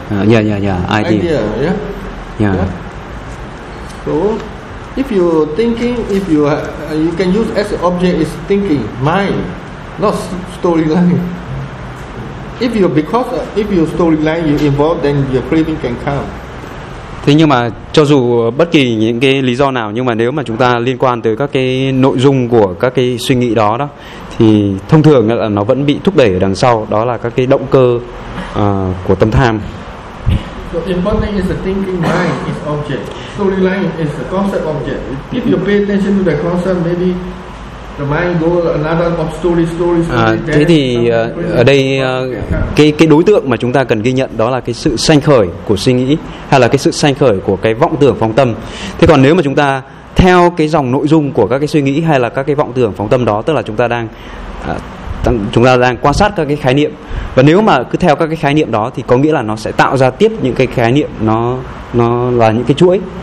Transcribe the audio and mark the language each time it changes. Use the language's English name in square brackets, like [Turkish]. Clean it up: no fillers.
[English] Idea. So if you thinking, if you you can use as object is thinking mind, not storyline. If you storyline you involve, then your craving can come. [Vietnamese] Thế nhưng mà cho dù bất kỳ những cái lý do nào, nhưng mà nếu mà chúng ta liên quan tới các cái nội dung của các cái suy nghĩ đó đó, thì thông thường là nó vẫn bị thúc đẩy ở đằng sau, đó là các cái động cơ của tâm tham. [English] So important is the thinking mind is object. Storyline is the concept object. If you pay attention to the concept, maybe the mind go another of story. [Vietnamese] Thế thì ở đây cái đối tượng mà chúng ta cần ghi nhận đó là cái sự sanh khởi của suy nghĩ, hay là cái sự sanh khởi của cái vọng tưởng phóng tâm. Thế còn nếu mà chúng ta theo cái dòng nội dung của các cái suy nghĩ hay là các cái vọng tưởng phóng tâm đó, tức là chúng ta đang quan sát các cái khái niệm, và nếu mà cứ theo các cái khái niệm đó thì có nghĩa là nó sẽ tạo ra tiếp những cái khái niệm, nó là những cái chuỗi.